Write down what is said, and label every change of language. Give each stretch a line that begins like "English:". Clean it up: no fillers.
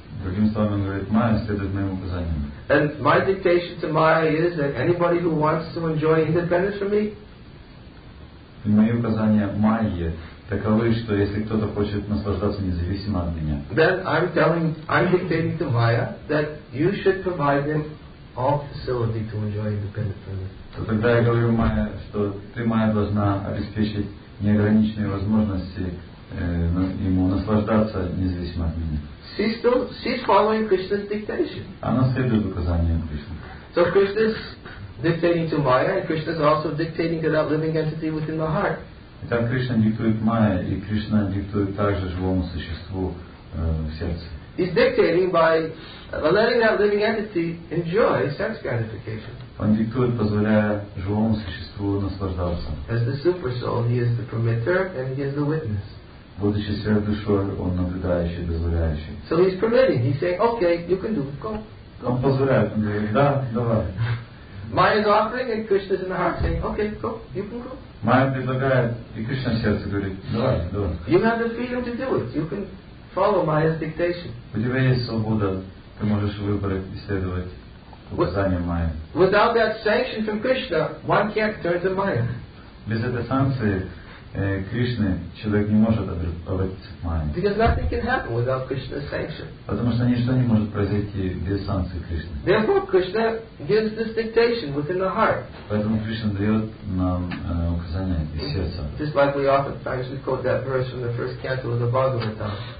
Russian: Другими словами, он говорит, Майя следует моим указаниям.
English: And my dictation to Maya is that anybody who wants to enjoy independence from me.
Russian: И мои указания Майе таковы, что если кто-то хочет наслаждаться независимо от меня,
English: then I'm dictating to Maya that you should provide him all facility to enjoy independence.
Russian: Тогда я говорю Майя, что ты, Майя, должна обеспечить неограниченные возможности ему наслаждаться независимо от меня.
English: She's following Krishna's dictation.
Russian: Она следует указаниям Кришны.
English: So Krishna's dictating to Maya, and Krishna's also dictating to that living entity within the heart.
Russian: Итак, Кришна диктует Майя, и Кришна диктует также живому существу в сердце.
English: He's dictating by letting that living entity enjoy sense gratification.
Russian: Он диктует, позволяя живому существу наслаждаться.
English: As the super soul, he is the permitter and he is the witness.
Russian: Будучи сверхдушой, он наблюдающий, дозволяющий.
English: So he's permitting. He's saying, okay, you can do it. Go.
Russian: Он позволяет. Он говорит, да, давай.
English: Maya is offering and Krishna is in the heart saying, okay, go, you can go.
Russian: Майя предлагает, и Кришна в сердце говорит, давай.
English: You have the freedom to do it. You can follow Maya's dictation.
Russian: У тебя есть свобода. Ты можешь выбрать и следовать указаниям Майя.
English: Without that sanction from Krishna, one can't turn to Maya.
Russian: Без этой санкции Кришны человек не может обратиться к Майе.
English: Because nothing can happen without Krishna's sanction.
Russian: Потому что ничто не может произойти без санкции Кришны.
English: Therefore, Krishna gives this dictation within the heart.
Russian: Поэтому Кришна дает нам указания из сердца.
English: Just like we oftentimes quote that verse from the first canto of the Bhagavata.